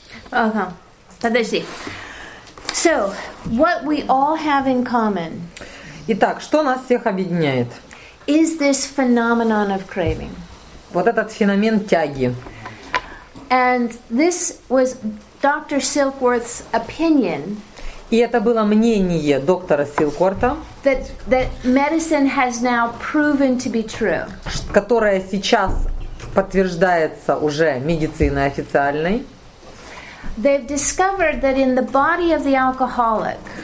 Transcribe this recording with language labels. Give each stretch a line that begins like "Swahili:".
Russian: Ага, подожди.
English: So, what we all have in common...
Russian: Итак, что нас всех объединяет?
English: Is this phenomenon of craving?
Russian: Вот этот феномен тяги.
English: And this was Dr. Silkworth's opinion.
Russian: И это было мнение доктора Силкворта.
English: That medicine has now proven to be true.
Russian: Которое сейчас подтверждается уже медициной официальной.
English: They've discovered that in the body of the alcoholic,